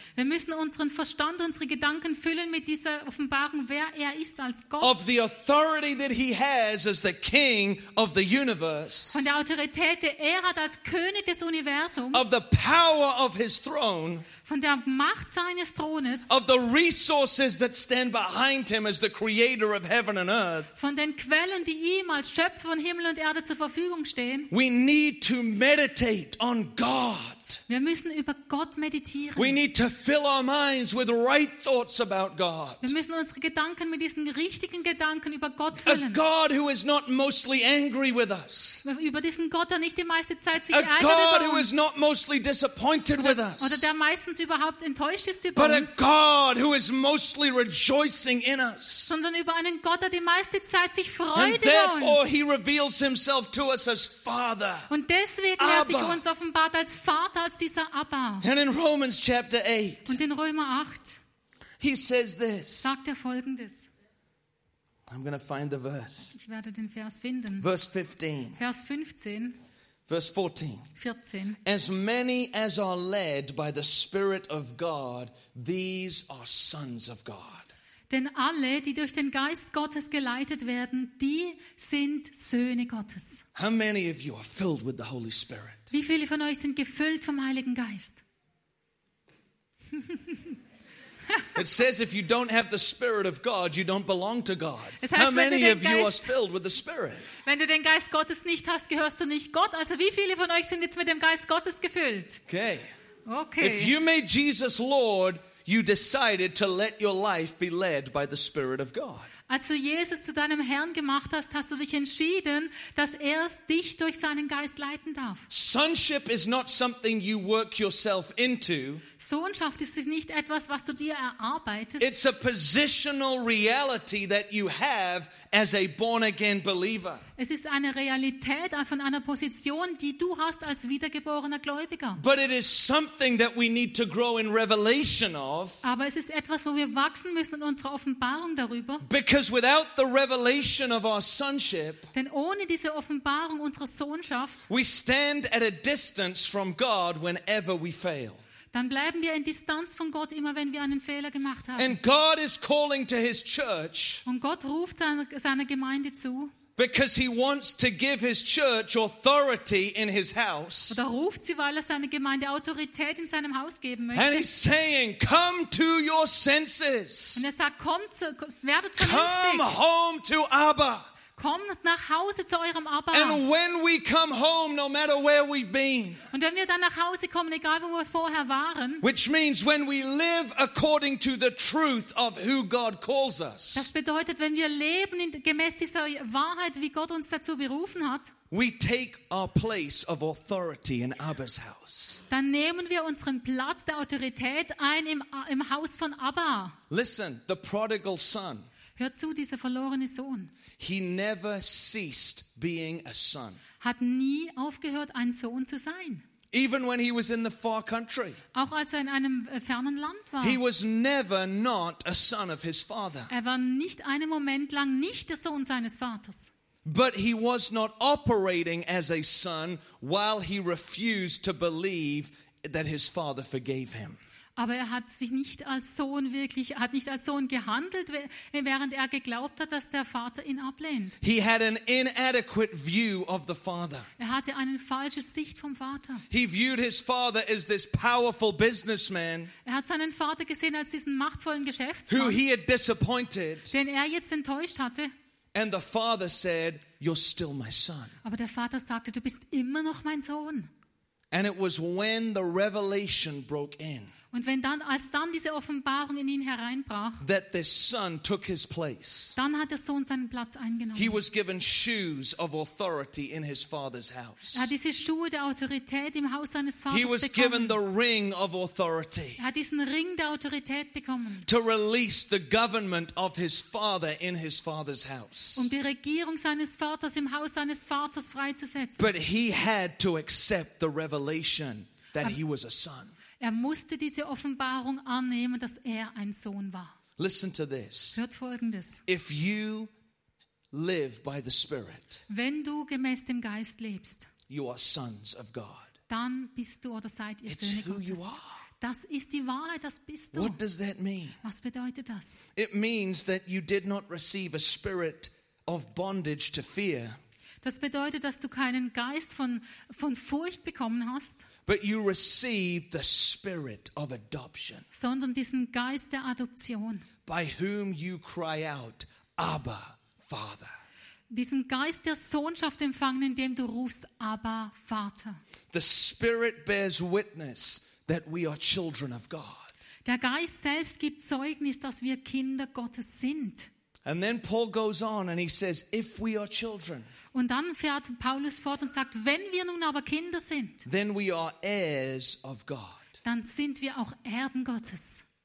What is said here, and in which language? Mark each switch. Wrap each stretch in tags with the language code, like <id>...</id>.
<de>Wir müssen unseren Verstand, unsere Gedanken füllen mit dieser Offenbarung, wer er ist als Gott.</de> <en>Of the authority that he has as the king of the universe.</en> <de>Von der Autorität, die er hat als König des Universums.</de> <en>Of the power of his throne.</en> <de>Von der Macht seines Thrones.</de> <en>Of the resources that stand behind him as the creator of heaven and earth.</en> <de>Von den Quellen, die ihm als Schöpfer von Himmel und Erde zur Verfügung stehen.</de> <en>We need to meditate on God.</en> <de>Wir müssen über Gott meditieren.</de> <en>We need to fill our minds with right thoughts about God.</en> <de>Wir müssen unsere Gedanken mit diesen richtigen Gedanken über Gott füllen.</de> <en>A God who is not mostly angry with us.</en> <de>Über diesen Gott, der nicht die meiste Zeit sich</de> <en>A</en> <de>ärgert</de> <en>God</en> <de>über uns.</de> <en>Who is not mostly disappointed</en> <de>oder,</de> <en>with us.</en> <de>Oder der meistens überhaupt enttäuscht ist über</de> <en>But</en> <de>uns.</de> <en>A God who is mostly rejoicing in us.</en> <de>Sondern über einen Gott, der die meiste Zeit sich freut</de> <en>And</en> <de>über</de> <en>therefore</en> <de>uns.</de> <en>He reveals himself to us as Father.</en> <de>Und deswegen Abba. Er sich uns offenbart als Vater.</de> <en>And in Romans chapter 8,</en> <de>und in Römer 8,</de> <en>he says this.</en> <de>Sagt Folgendes.</de> <en>I'm going to find the verse.</en> <de>Ich werde den Vers finden.</de> <en>Verse 15.</en> <de>Vers 15.</de> <en>Verse 14.</en> <de>14.</de> <en>As many as are led by the Spirit of God, these are sons of God.</en> <de>Denn alle, die durch den Geist Gottes geleitet werden, die sind Söhne Gottes.</de> <en>How many of you are filled with the Holy Spirit?</en> <de>Wie viele von euch sind gefüllt vom Heiligen Geist?</de> <en>It says if you don't have the Spirit of God, you don't belong to God.</en> <de>Es heißt,</de> <en>how many</en> <de>Geist,</de> <en>of you are filled with the Spirit?</en> <de>Wenn du den Geist Gottes nicht hast, gehörst du nicht Gott. Also wie viele von euch sind jetzt mit dem Geist Gottes gefüllt?</de> <en>Okay.</en> <de>Okay.</de> <en>If you made Jesus Lord, you decided to let your life be led by the Spirit of God.</en> <de>Als du Jesus zu deinem Herrn gemacht hast, hast du dich entschieden, dass er dich durch seinen Geist leiten darf.</de> <en>Sonship is not something you work yourself into.</en> <de>Sohnschaft ist nicht etwas, was du dir erarbeitest.</de> <en>It's a positional reality that you have as a born-again believer.</en> <de>Es ist eine Realität von einer Position, die du hast als wiedergeborener Gläubiger.</de> <en>But it is something that we need to grow in revelation of.</en> <de>Aber es ist etwas, wo wir wachsen müssen in unserer Offenbarung darüber.</de> <en>Because without the revelation of our sonship,</en> <de>denn ohne diese Offenbarung unserer Sohnschaft,</de> <en>we stand at a distance from God whenever we fail.</en> <de>Dann bleiben wir in Distanz von Gott immer, wenn wir einen Fehler gemacht haben.</de> <en>And God is calling to his church.</en> <de>Und Gott ruft seiner Gemeinde zu.</de> <en>Because he wants to give his church authority in his house.</en> <de>Oder ruft sie, weil seine Gemeinde Autorität in seinem Haus geben möchte.</de> <en>And he's saying, come to your senses.</en> <de>Und sagt, kommt, werdet vernünftig.</de> <en>Come home to Abba.</en> <de>Kommt nach Hause zu eurem Abba.</de> <en>And when we come home, no matter where we've been.</en> <de>Und wenn wir dann nach Hause kommen, egal wo wir vorher waren.</de> <en>Which means when we live according to the truth of who God calls us.</en> <de>Das bedeutet, wenn wir leben gemäß dieser Wahrheit, wie Gott uns dazu berufen hat.</de> <en>We take our place of authority in Abba's house.</en> <de>Dann nehmen wir unseren Platz der Autorität ein im Haus von Abba.</de> <en>Listen, the prodigal son.</en> <de>Hör zu, dieser verlorene Sohn.</de> <en>He never ceased being a son.</en> <de>Hat nie aufgehört, ein Sohn zu sein.</de> <en>Even when he was in the far country.</en> <de>Auch als er in einem fernen Land war.</de> <en>He was never not a son of his father.</en> <de>Er war nicht einen Moment lang nicht der Sohn seines Vaters.</de> <en>But he was not operating as a son while he refused to believe that his father forgave him.</en> <de>Aber er hat sich nicht als Sohn wirklich, hat nicht als Sohn gehandelt, während er geglaubt hat, dass der Vater ihn ablehnt.</de> <en>He had an inadequate view of the father.</en> <de>Er hatte eine falsche Sicht vom Vater.</de> <en>He viewed his father as this powerful businessman.</en> <de>Er hat seinen Vater gesehen als diesen machtvollen Geschäftsmann.</de> <en>Who he had disappointed.</en> <de>Den er jetzt enttäuscht hatte.</de> <en>And the father said, "You're still my son."</en> <de>Aber der Vater sagte, du bist immer noch mein Sohn.</de> <en>And it was when the revelation broke in.</en> <de>Und wenn dann, als dann diese Offenbarung in ihn hereinbrach,</de> <en>that the son took his place.</en> <de>Dann hat der Sohn seinen Platz eingenommen.</de> <en>He was given shoes of authority in his father's house.</en> <de>Er hat diese Schuhe der Autorität im Haus seines Vaters bekommen.</de> <en>He was given the ring of authority.</en> <de>Er hat diesen Ring der Autorität bekommen.</de> <en>To release the government of his father in his father's house.</en> <de>Um die Regierung seines Vaters im Haus seines Vaters freizusetzen.</de> <en>But he had to accept the revelation that he was a son.</en> <de>Er musste diese Offenbarung annehmen, dass er ein Sohn war.</de> <en>Listen to this.</en> <de>Hört Folgendes.</de> <en>If you live by the Spirit,</en> <de>wenn du gemäß dem Geist lebst,</de> <en>you are sons of God.</en> <de>Dann bist du oder seid ihr</de> <en>It's</en> <de>Söhne Gottes.</de> <en>Who you are.</en> <de>Das ist die Wahrheit, das bist du.</de> <en>What does that mean?</en> <de>Was bedeutet das?</de> <en>It means that you did not receive a spirit of bondage to fear.</en> <de>Das bedeutet, dass du keinen Geist von Furcht bekommen hast,</de> <en>but you received the spirit of adoption,</en> <de>sondern diesen Geist der Adoption,</de> <en>by whom you cry out, Abba, Father.</en> <de>Diesen Geist der Sohnschaft empfangen, indem du rufst, Abba, Vater.</de> <en>The Spirit bears witness that we are children of God.</en> <de>Der Geist selbst gibt Zeugnis, dass wir Kinder Gottes sind.</de> <en>And then Paul goes on and he says, if we are children,</en> <de>und dann fährt Paulus fort und sagt, wenn wir nun aber Kinder sind,</de> <en>then we are heirs of God.</en> <de>Dann sind wir auch Erben Gottes.</de>